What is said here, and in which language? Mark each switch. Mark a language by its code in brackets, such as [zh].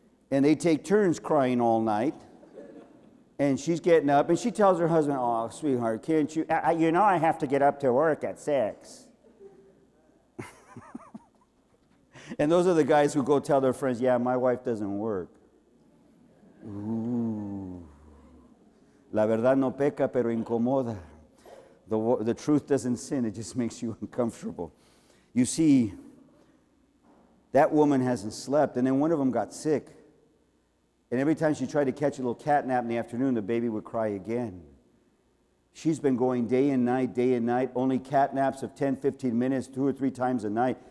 [en] And they take turns crying all night. And she's getting up, and she tells her husband, oh, sweetheart, can't you? You know I have to get up to work at 6. And those are the guys who go tell their friends, yeah, my wife doesn't work. Ooh. [es] La verdad no peca, pero incomoda. [en] The truth doesn't sin, it just makes you uncomfortable. You see, that woman hasn't slept, and then one of them got sick. And every time she tried to catch a little cat nap in the afternoon, the baby would cry again. She's been going day and night, only cat naps of 10, 15 minutes, 2 or 3 times a night.